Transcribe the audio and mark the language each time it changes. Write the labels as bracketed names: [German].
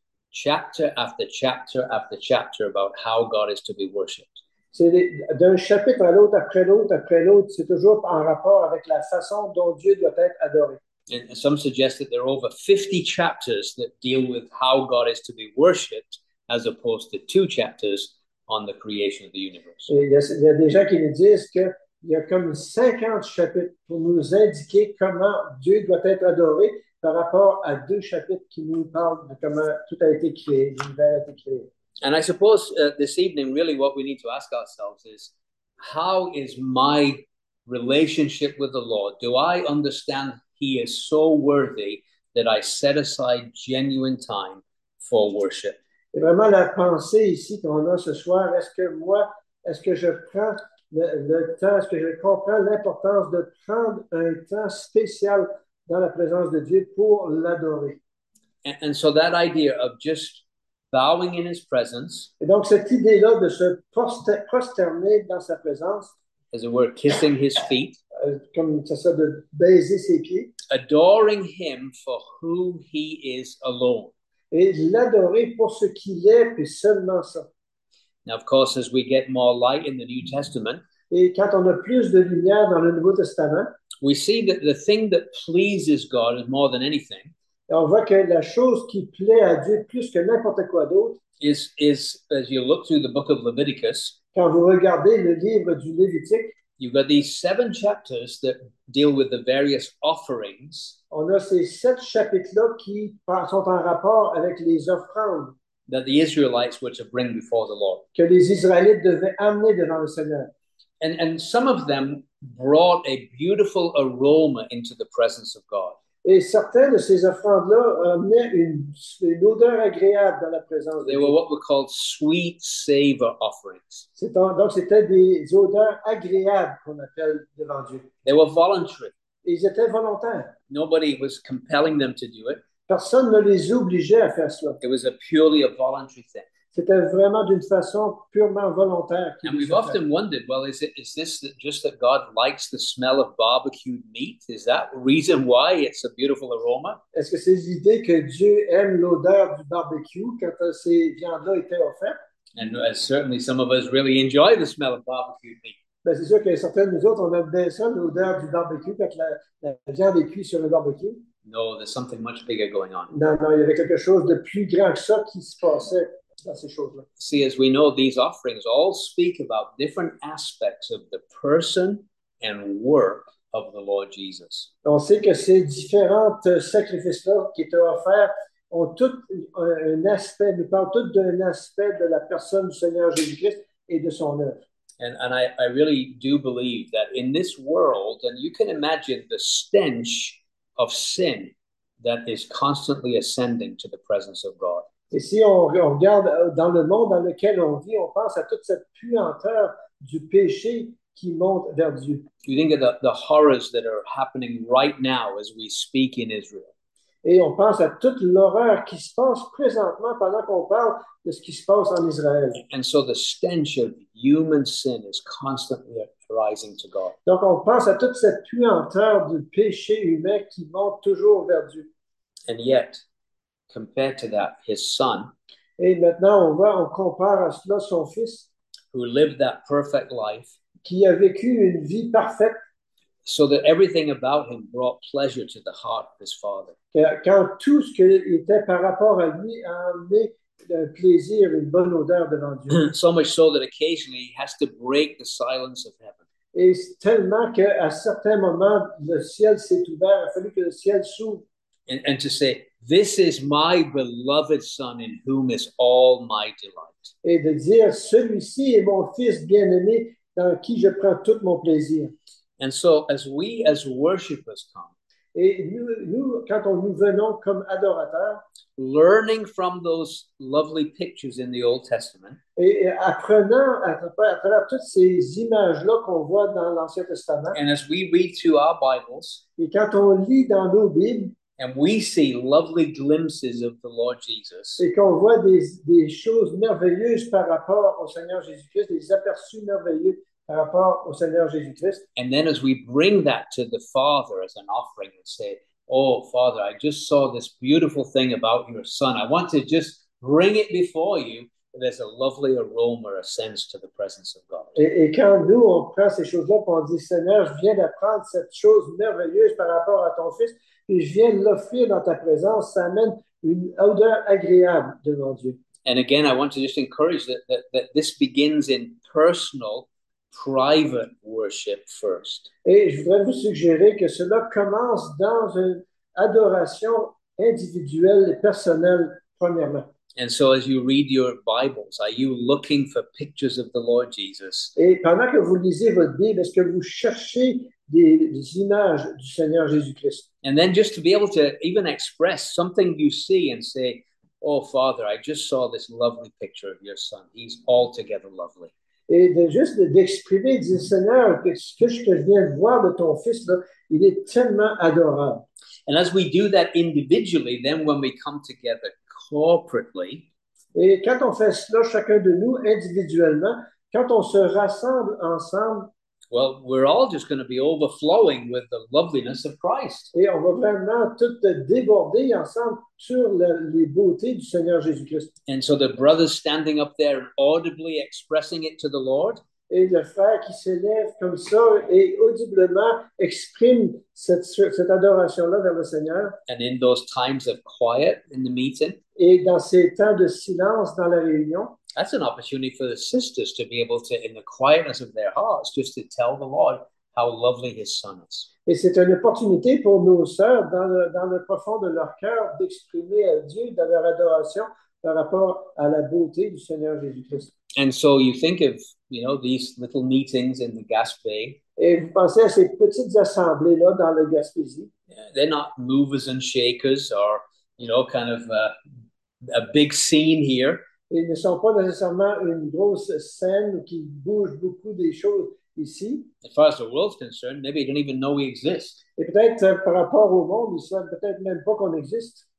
[English] Chapter after chapter after chapter about how God is to be worshipped. [French] C'est d'un chapitre à l'autre, après l'autre, après l'autre. C'est toujours en rapport avec la façon dont Dieu doit être adoré. [English] And some suggest that there are over 50 chapters that deal with how God is to be worshipped, as opposed to two chapters on the creation of the universe. [French] Il y a des gens qui nous disent qu'il y a comme 50 chapitres pour nous indiquer comment Dieu doit être adoré par rapport à deux chapitres qui nous parlent de comment tout a été créé, l'univers a été créé. [English] And I suppose this evening, really what we need to ask ourselves is, how is my relationship with the Lord? Do I understand He is so worthy that I set aside genuine time for worship? [French] Et vraiment la pensée ici qu'on a ce soir, est-ce que je prends le temps, est-ce que je comprends l'importance de prendre un temps spécial dans la présence de Dieu pour l'adorer? [English] And so that idea of just bowing in his presence, [French] et donc cette idée-là de se prosterner dans sa présence, [English] as it were, kissing his feet, [French] comme ça, ça de baiser ses pieds, [English] adoring him for who he is alone. [French] Et l'adorer pour ce qu'il est, puis seulement ça. [English] Now, of course, as we get more light in the New Testament, [French] et quand on a plus de lumière dans le Nouveau Testament, [English] we see that the thing that pleases God more than anything, [French] on voit que la chose qui plaît à Dieu plus que n'importe quoi d'autre, [English] is as you look through the book of Leviticus, [French] quand vous regardez le livre du Lévitique, [English] you've got these seven chapters that deal with the various offerings. [French] On a ces sept chapitres-là qui sont en rapport avec les offrandes [English] that the Israelites were to bring before the Lord. [French] Que les Israélites devaient amener devant le Seigneur. [English] And some of them brought a beautiful aroma into the presence of God. [French] Et certaines de ces offrandes-là amenaient une odeur agréable dans la présence de Dieu. [English] They were what were called sweet savor offerings. [French] Donc, c'était des odeurs agréables qu'on appelle devant Dieu. [English] They were voluntary. [French] Ils étaient volontaires. [English] Nobody was compelling them to do it. [French] Personne ne les obligeait à faire cela. [English] It was a purely a voluntary thing. [French] C'était vraiment d'une façon purement volontaire. [English] And we've often wondered, well, is this just that God likes the smell of barbecued meat? Is that reason why it's a beautiful aroma? [French] Est-ce que c'est l'idée que Dieu aime l'odeur du barbecue quand ces viandes-là étaient offertes? [English] And certainly some of us really enjoy the smell of barbecued meat. [French] Ben, c'est sûr que certains de nous autres, on aime bien ça, l'odeur du barbecue, quand la viande est cuite sur le barbecue. [English] No, there's something much bigger going on. [French] Non, il y avait quelque chose de plus grand que ça qui se passait. [English] See, as we know, these offerings all speak about different aspects of the person and work of the Lord Jesus. [French] On sait que ces différents sacrifices-là qui étaient offerts ont tout un aspect, nous parlent tout d'un aspect de la personne du Seigneur Jésus-Christ et de son œuvre. [English] And I really do believe that in this world, and you can imagine the stench of sin that is constantly ascending to the presence of God. [French] Et si on regarde dans le monde dans lequel on vit, on pense à toute cette puanteur du péché qui monte vers Dieu. [English] You think of the horrors that are happening right now as we speak in Israel. [French] Et on pense à toute l'horreur qui se passe présentement pendant qu'on parle de ce qui se passe en Israël. [English] And so the stench of human sin is constantly rising to God. [French] Donc on pense à toute cette puanteur du péché humain qui monte toujours vers Dieu. [English] And yet, compared to that, his son, [French] et maintenant on voit, on compare à cela son fils, [English] who lived that perfect life, [French] qui a vécu une vie parfaite, [English] so that everything about him brought pleasure to the heart of his father. [French] Quand tout ce qui était par rapport à lui a amené un plaisir, une bonne odeur devant Dieu. [English] So much so that occasionally he has to break the silence of heaven. [French] Et tellement qu'à certains moments, le ciel s'est ouvert, il a fallu que le ciel s'ouvre. [English] And to say, This is my beloved son in whom is all my delight. [French] Et de dire, celui-ci est mon fils bien-aimé dans qui je prends tout mon plaisir. [English] And so as we as worshipers come, [French] et nous quand on nous venons comme adorateurs, [English] learning from those lovely pictures in the Old Testament, [French] et apprenant à travers toutes ces images-là qu'on voit dans l'Ancien Testament, [English] and as we read through our Bibles, [French] et quand on lit dans nos Bibles, [English] and we see lovely glimpses of the Lord Jesus, [French] et qu'on voit des choses merveilleuses par rapport au Seigneur Jésus-Christ, des aperçus merveilleux par rapport au Seigneur Jésus-Christ. [English] And then as we bring that to the Father as an offering and say, oh, Father, I just saw this beautiful thing about your son. I want to just bring it before you. There's a lovely aroma ascends to the presence of God. [French] Et quand nous, on prend ces choses-là, on dit, Seigneur, je viens d'apprendre cette chose merveilleuse par rapport à ton fils, et je viens l'offrir dans ta présence, ça amène une odeur agréable devant Dieu. [English] And again, I want to just encourage that this begins in personal, private worship first. [French] Et je voudrais vous suggérer que cela commence dans une adoration individuelle et personnelle premièrement. [English] And so as you read your Bibles, are you looking for pictures of the Lord Jesus? [French] Et pendant que vous lisez votre Bible, est-ce que vous cherchez des images du Seigneur Jésus-Christ? [English] And then just to be able to even express something you see and say, oh, Father, I just saw this lovely picture of your son. He's altogether lovely. [French] Et de juste d'exprimer, dire, Seigneur, que je viens de voir de ton fils, là, il est tellement adorable. [English] And as we do that individually, then when we come together corporately, [French] et quand on fait cela, chacun de nous, individuellement, quand on se rassemble ensemble, [English] well, we're all just going to be overflowing with the loveliness of Christ. [French] Et on va vraiment tout déborder ensemble sur les beautés du Seigneur Jésus-Christ. [English] And so the brothers standing up there audibly expressing it to the Lord. [French] Et le frère qui s'élève comme ça et audiblement exprime cette adoration-là vers le Seigneur. [English] And in those times of quiet in the meeting. [French] Et dans ces temps de silence dans la réunion. [English] That's an opportunity for the sisters to be able to, in the quietness of their hearts, just to tell the Lord how lovely His Son is. [French] Et c'est une opportunité pour nos sœurs, dans le profond de leur cœur, d'exprimer à Dieu dans leur adoration par rapport à la beauté du Seigneur Jésus-Christ. [English] And so you think of, you know, these little meetings in the Gaspé. [French] Et vous pensez à ces petites assemblées-là dans le Gaspésie. [English] They're not movers and shakers or, you know, kind of a big scene here. [French] Ils ne sont pas nécessairement une grosse scène qui bouge beaucoup des choses ici. [English] As far as the world's concerned, maybe they don't even know we exist. [French] Et peut-être par rapport au monde, ils savent peut-être même pas qu'on existe.